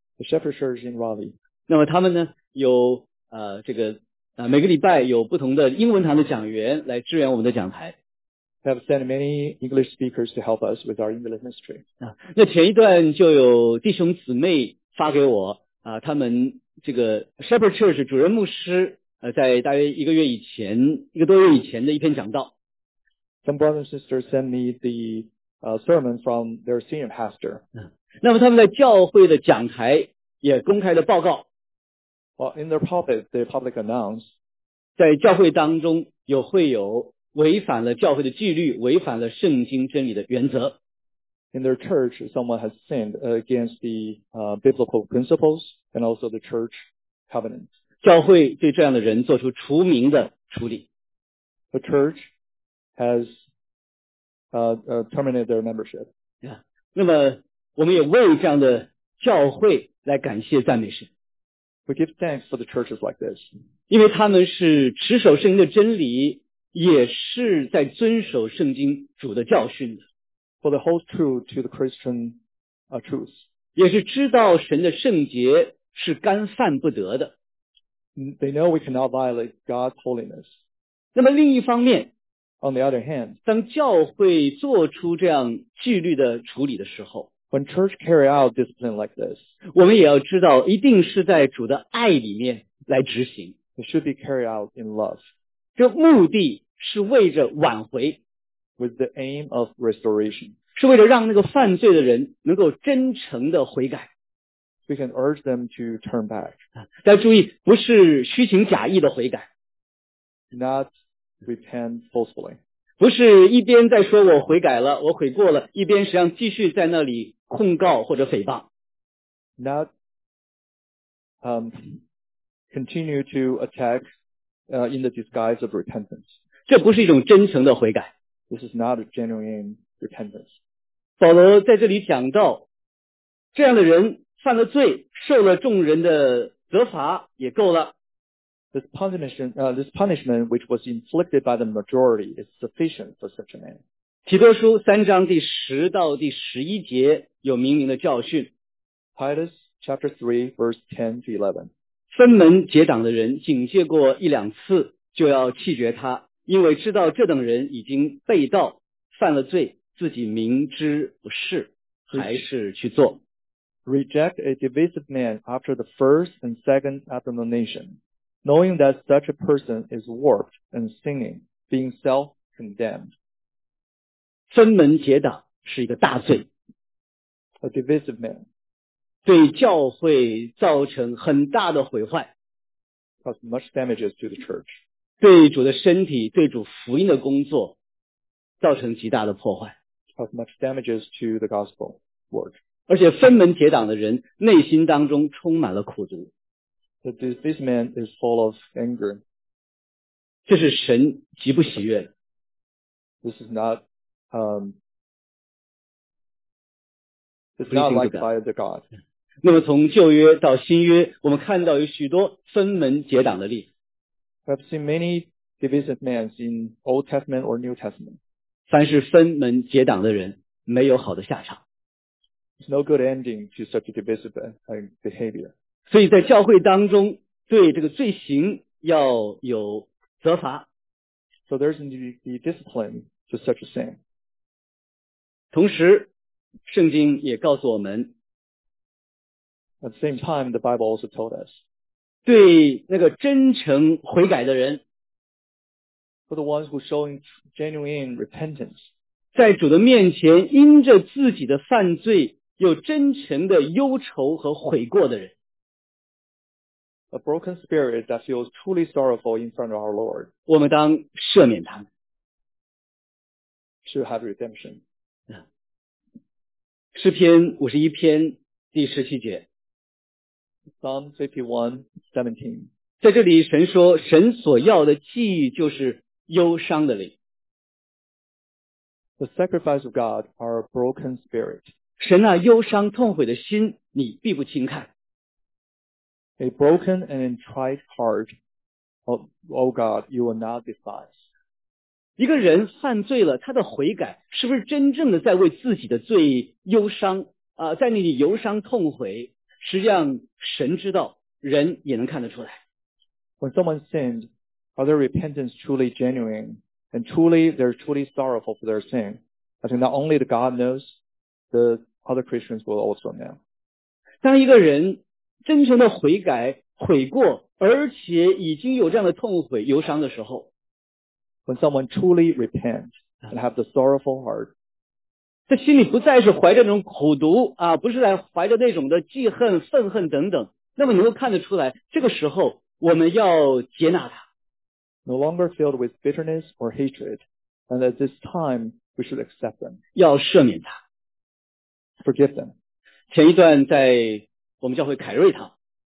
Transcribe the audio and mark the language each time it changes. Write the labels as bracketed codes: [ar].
[en] The Shepherd Church in Raleigh. [zh] 那么他们呢有这个每个礼拜有不同的英文堂的讲员来支援我们的讲台。 [en] Have sent many English speakers to help us with our English ministry. [zh] 那前一段就有弟兄姊妹发给我他们这个 Shepherd Church 主任牧师在大约一个月以前一个多月以前的一篇讲道。 [en] Some brothers and sisters sent me the sermon from their senior pastor. [zh] 那么他们在教会的讲台也公开的报告。 [en] Well, in their pulpit, they publicly announced. [zh] 在教会当中有会有违反了教会的纪律，违反了圣经真理的原则。 [en] In their church, someone has sinned against the biblical principles and also the church covenant. [zh] 教会对这样的人做出除名的处理。 [en] The church has terminated their membership. Yeah. [zh] 那么我们也为这样的教会来感谢赞美神。 [en] We give thanks for the churches like this. [zh] 因为他们是持守圣经的真理，也是在遵守圣经主的教训的。 [en] For the whole truth to the Christian truth. [zh] 也是知道神的圣洁是干犯不得的。 [en] They know we cannot violate God's holiness. [zh] 那么另一方面， [en] On the other hand, [zh] 当教会做出这样纪律的处理的时候， [en] When church carry out discipline like this, [zh] 我们也要知道一定是在主的爱里面来执行。 [en] It should be carried out in love. [zh] 这目的是为着挽回。 [en] With the aim of restoration. [zh] 是为了让那个犯罪的人能够真诚的悔改。 [en] We can urge them to turn back. [zh] 但注意，不是虚情假意的悔改。 [en] Not repent falsely. [zh] 不是一边在说我悔改了，我悔过了，一边实际上继续在那里控告或者诽谤。 [en] Not continue to attack in the disguise of repentance. [zh] 这不是一种真诚的悔改。 [en] This is not a genuine repentance. [zh] 保罗在这里讲到，这样的人犯了罪，受了众人的责罚也够了。 [en] This punishment which was inflicted by the majority is sufficient for such a man. [zh] 提多书三章第十到第十一节有明明的教训。 [en] Titus chapter 3 verse 10 to 11. [zh] 分门结党的人警戒过一两次就要弃绝他，因为知道这等人已经被盗犯了罪，自己明知不是还是去做。 [en] Reject a divisive man after the first and second admonition. Knowing that such a person is warped and sinning, being self-condemned. [zh] 分门结党是一个大罪。 [en] A divisive man. [zh] 对教会造成很大的毁坏。 [en] Caused much damages to the church. [zh] 对主的身体，对主福音的工作，造成极大的破坏。 [en] Caused much damages to the gospel work. [zh] 而且分门结党的人，内心当中充满了苦毒。 [en] That this man is full of anger. [zh] 这是神极不喜悦的。 [en] This is not, it's not liked by the God. [zh] 那么从旧约到新约，我们看到有许多分门结党的例子。 [en] I've seen many divisive men in Old Testament or New Testament. [zh] 凡是分门结党的人，没有好的下场。 [en] It's no good ending to such a divisive behavior. [zh] 所以在教会当中对这个罪行要有责罚。 [en] So there's the discipline to such a sin. [zh] 同时圣经也告诉我们 [en] At the same time, the Bible also told us. [zh] 对那个真诚悔改的人 [en] For the ones who showing genuine repentance. [zh] 在主的面前因着自己的犯罪有真诚的忧愁和悔过的人。 [en] A broken spirit that feels truly sorrowful in front of our Lord. [zh] 我们当赦免他们。 [en] Should have redemption. [zh] 诗篇五十一篇第十七节。 [en] Psalm 51:17。 [zh] 在这里，神说，神所要的祭就是忧伤的灵。 [en] The sacrifice of God are a broken spirit. [zh] 神那忧伤痛悔的心，你必不轻看。 [en] A broken and contrite heart, O God, you will not despise. [zh] 一个人犯罪了，他的悔改是不是真正的在为自己的罪忧伤啊？在那里忧伤痛悔，实际上神知道，人也能看得出来。 [en] When someone sinned, are their repentance truly genuine? And truly, they're truly sorrowful for their sin. I think not only the God knows, the other Christians will also know. [zh] 当一个人真诚的悔改、悔过，而且已经有这样的痛悔、忧伤的时候， [en] When someone truly repents and have the sorrowful heart, [zh] 他心里不再是怀着那种苦毒啊，不是来怀着那种的记恨、愤恨等等，那么你会看得出来，这个时候我们要接纳他。 [en] No longer filled with bitterness or hatred, and at this time we should accept them. [zh] 要赦免他。 [en] Forgive them. [zh] 前一段在我们教会凯瑞堂。